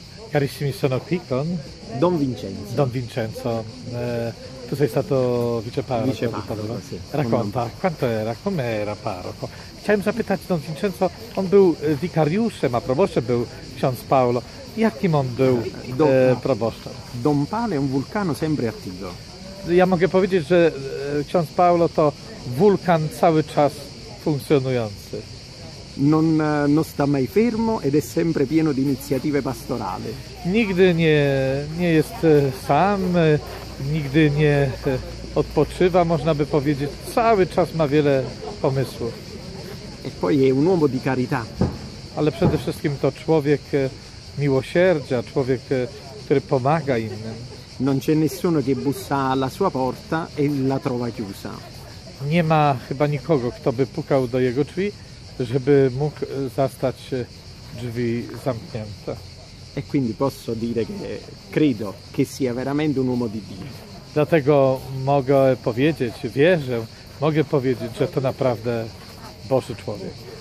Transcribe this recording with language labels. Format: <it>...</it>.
<it>Carissimi, sono Picon. Don Vincenzo. Don Vincenzo, tu sei stato viceparroco. Sì. Racconta, quanto era, com'era parroco?</it> <pl>Chciałem zapytać Don Vincenzo, on był wikariuszem, a proboszczem był ksiądz Paolo. Jakim on był proboszczem?</pl> <it>Don Paolo è un vulcano sempre attivo.</it> <pl>Ja mogę powiedzieć, że ksiądz Paolo to wulkan cały czas funkcjonujący.</pl> <it>Non sta mai fermo ed è sempre pieno di iniziative pastorali.</it> <pl>Nigdy nie jest sam, nigdy nie odpoczywa, można by powiedzieć. Cały czas ma wiele pomysłów.</pl> <it>E poi è un uomo di carità.</it> <pl>Ale przede wszystkim to człowiek miłosierdzia, człowiek, który pomaga innym.</pl> <it>Non c'è nessuno che bussa alla sua porta e la trova chiusa.</it> <pl>Nie ma chyba nikogo, kto by pukał do jego drzwi, żeby mógł zastać drzwi zamknięte.</pl> <it>E quindi posso dire che credo che sia veramente un uomo di Dio.</it> <pl>Dlatego mogę powiedzieć, wierzę, mogę powiedzieć, że to naprawdę Boży człowiek.</pl>